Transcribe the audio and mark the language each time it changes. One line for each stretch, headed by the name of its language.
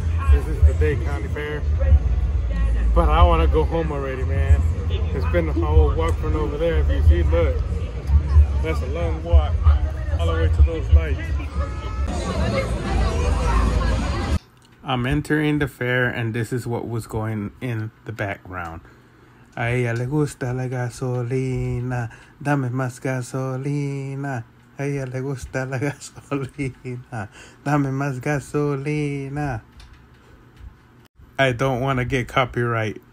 English: This is the Day County Fair. But I want to go home already, man. It's been a whole walk from over there. If you see, look. That's a long walk. All the way to those lights. I'm entering the fair, and this is what was going in the background.
Spanish: A ella le gusta la gasolina, dame más gasolina. A ella le gusta la gasolina, dame más gasolina.
English: I don't want to get copyright.